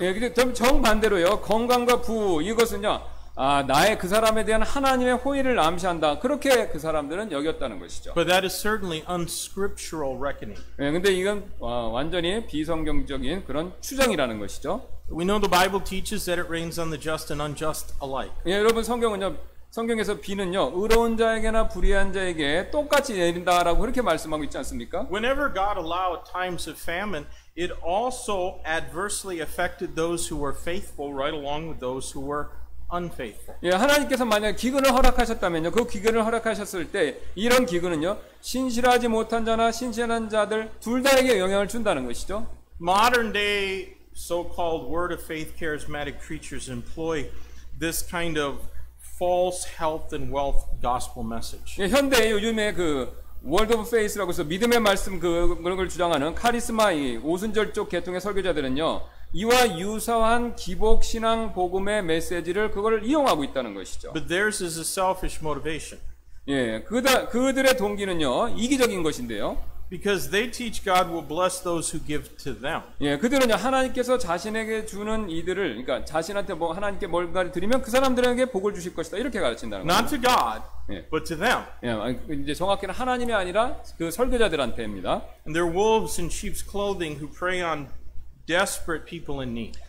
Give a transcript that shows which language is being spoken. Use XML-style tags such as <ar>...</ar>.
<ko>예, 근데 정반대로요. 건강과 부 이것은요. 아, 나의 그 사람에 대한 하나님의 호의를 암시한다. 그렇게 그 사람들은 여겼다는 것이죠.</ko> <en>But that is certainly unscriptural reckoning.</en> <ko>예, 근데 이건 완전히 비성경적인 그런 추정이라는 것이죠.</ko> <en>We know the Bible teaches that it rains on the just and unjust alike.</en> <ko>예, 여러분 성경은요. 성경에서 비는요. 의로운 자에게나 불의한 자에게 똑같이 내린다라고 그렇게 말씀하고 있지 않습니까?</ko> <en>Whenever God allowed times of famine, it also adversely affected those who were faithful right along with those who were unfaithful.</en> <ko>예, 하나님께서 만약 기근을 허락하셨다면요. 그 기근을 허락하셨을 때 이런 기근은요. 신실하지 못한 자나 신실한 자들 둘 다에게 영향을 준다는 것이죠.</ko> <en>Modern day so-called word of faith charismatic preachers employ this kind of false health and wealth gospel message.</en> <ko>예, 현대 요즘에 그 word of faith라고 해서 믿음의 말씀 그런 걸 주장하는 카리스마 이 오순절 쪽 계통의 설교자들은요. 이와 유사한 기복 신앙 복음의 메시지를 그걸 이용하고 있다는 것이죠.</ko> <en>But theirs is a selfish motivation.</en> <ko>예, 그들의 동기는요. 이기적인 것인데요.</ko> <en>Because they teach God will bless those who give to them.</en> <ko>예, 그들은요 하나님께서 자신에게 주는 이들을, 그러니까 자신한테 뭐 하나님께 뭔가를 드리면 그 사람들에게 복을 주실 것이다 이렇게 가르친다는 거예요.</ko> <en>Not to God, 예. but to them.</en> <ko>예, 이제 정확히는 하나님이 아니라 그 설교자들한테입니다.</ko> <en>And they're wolves in sheep's clothing who prey on desperate people in need.</en>